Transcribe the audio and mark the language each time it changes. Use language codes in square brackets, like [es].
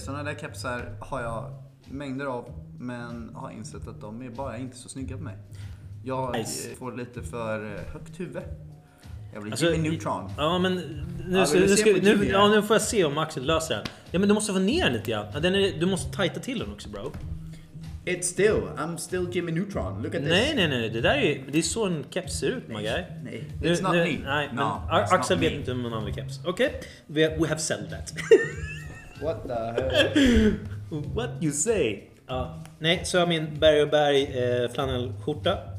[sv] Sådana där kepsar har jag mängder av. Men har insett att de är bara inte så snygga på mig. Jag får lite för högt huvud. Jag blir Jimmy Neutron. Ja, men nu, nu får jag se om Axel löser den. Ja, men du måste få ner den lite grann. Den är, du måste tajta till den också, bro. [en] It's still, I'm still Jimmy Neutron. Look at this. [sv] Nej. Det där är ju, det är så en keps ser ut, [en] my guy. Nej, it's not me. [sv] Nej, Axel vet inte om man använder keps. [en] Okej, we have said that. What the hell? What you say? [sv] Nej, så har jag min Berg & Berg flanellskjorta.